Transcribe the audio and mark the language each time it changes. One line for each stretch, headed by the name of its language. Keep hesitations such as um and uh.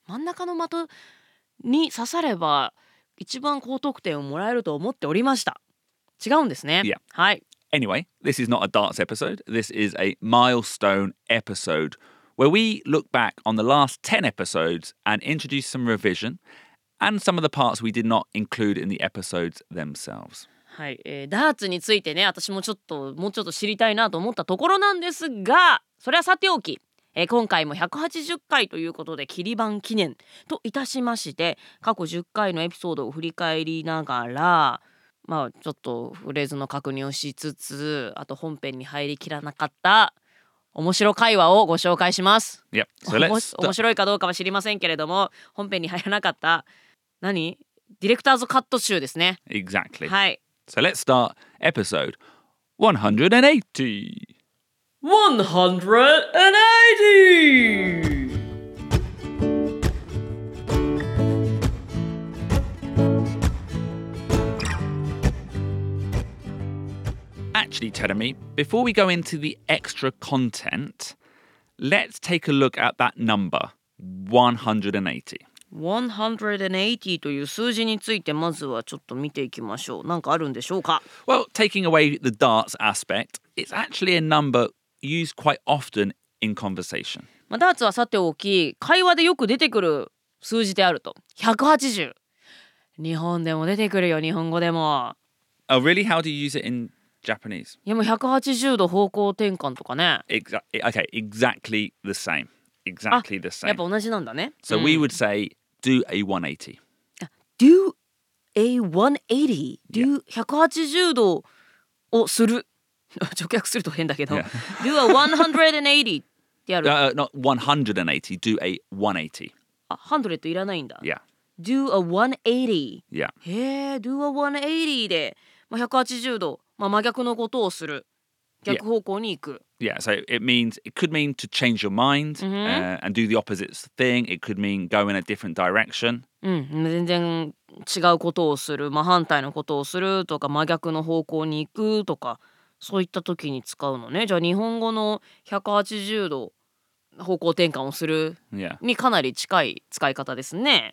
Japanese: 真ん中の的に刺されば一番高得点をもらえると思っておりました。違うんですね。はい。
English: Anyway, this is not a darts episode. This is a milestone episode where we look back on the last 10 episodes and introduce some revision and some of the parts we did not include in the episodes themselves.
Japanese: はい、えー、ダーツについてね私もちょっともうちょっと知りたいなと思ったところなんですがそれはさておき、えー、今回も180回ということで切り番記念といたしまして過去10回のエピソードを振り返りながらまあちょっとフレーズの確認をしつつあと本編に入りきらなかった面白会話をご紹介します。い、
English: yep.
Japanese: や、so、面白いかどうかは知りませんけれども、本編に入らなかった何？ディレクターズカット集ですね。
English: Exactly. はい。So let's start episode 180. 180! Actually, Teremi, before we go into the extra content, let's take a look at that number 180. 180
Japanese: という数字についてまずはちょっと見ていきましょう。何かあるんでしょうか
English: Well, taking away the darts aspect, it's actually a number used quite often in conversation.
Japanese: まあ、ダーツはさておき、会話でよく出てくる数字であると。 180。日本でも出てくるよ、日本語でも。
English: Oh, really? How do you use it in Japanese?
Japanese: いやもう180度方向転換とかね。
English: Exa- okay, exactly the same. exactly the same. やっぱ
Japanese: 同じなんだね。
English: So we would say, do a 180. Do a 180? Do、yeah.
Japanese: 180度をする。直訳すると変だけど。Yeah.
English: do a 180ってやる。Uh, not 180, do a 180.
Japanese: 100いらないんだ。
English: Yeah. Do a 180. Yeah.
Japanese: へえ、Do a 180で、まあ、180度、まあ、真逆のことをする。
English: Yeah, so it means it could mean to change your mind mm -hmm. uh, and do the opposite thing. It could mean go in a different direction.
Japanese: うん、全然違うことをする、ま、反対のことをするとか、真逆の方向に行くとか、そういった時に使うのね。じゃあ日本語の180度方向転換をするにかなり近い使い方ですね。